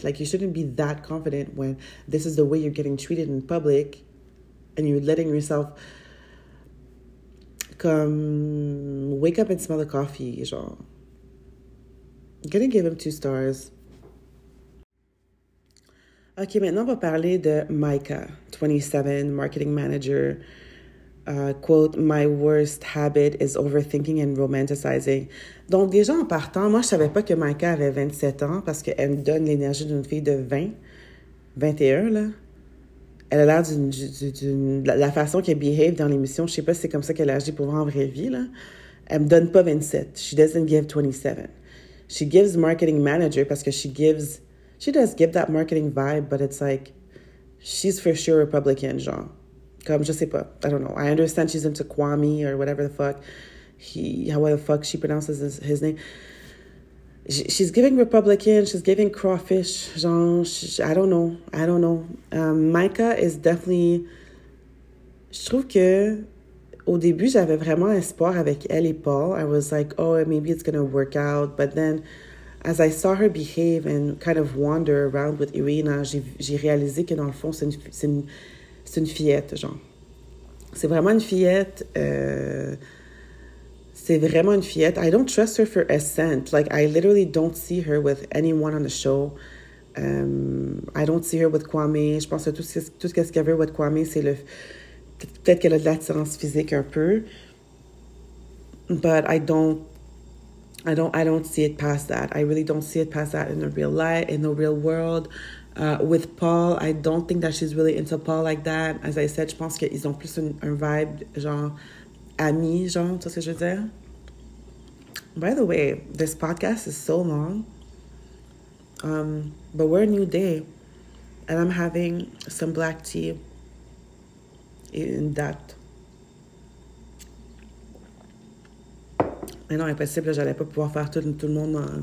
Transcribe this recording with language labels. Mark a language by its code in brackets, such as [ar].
[en] Like, you shouldn't be that confident when this is the way you're getting treated in public and you're letting yourself, comme, wake up and smell the coffee, genre. I'm gonna give him 2 stars. [fr] OK, maintenant, on va parler de Micah, 27, marketing manager. [en] Quote, my worst habit is overthinking and romanticizing. [fr] Donc, déjà en partant, moi, je savais pas que Micah avait 27 ans parce qu'elle me donne l'énergie d'une fille de 20, 21, là. Elle a l'air d'une la façon qu'elle behave dans l'émission. Je sais pas si c'est comme ça qu'elle agit pour voir en vraie vie, là. Elle me donne pas 27. [en] She doesn't give 27. She gives marketing manager [fr] parce que [en] She does give that marketing vibe, but it's like, she's for sure Republican, genre. [fr] Comme, je sais pas. [en] I don't know. I understand she's into Kwame or whatever the fuck. However the fuck she pronounces his name. She's giving Republican. She's giving crawfish, genre. I don't know. Micah is definitely... [fr] Je trouve que au début, j'avais vraiment espoir avec elle et Paul. [en] I was like, oh, maybe it's gonna work out. But then... As I saw her behave and kind of wander around with Irina, [fr] j'ai réalisé que dans le fond, c'est une fillette, genre. C'est vraiment une fillette. C'est vraiment une fillette. [en] I don't trust her for a cent. Like, I literally don't see her with anyone on the show. I don't see her with Kwame. [fr] Je pense que tout ce qu'elle avait [en] with Kwame, [fr] c'est le... Peut-être qu'elle a de l'attirance physique un peu. [en] But I don't see it past that. I really don't see it past that in the real life, in the real world. With Paul, I don't think that she's really into Paul like that. As I said, [fr] je pense qu'ils ont plus un vibe, genre, ami, genre, tu vois ce que je veux dire? [en] By the way, this podcast is so long. But we're a new day. And I'm having some black tea in that. [fr] Mais non, impossible, j'allais pas pouvoir faire tout le monde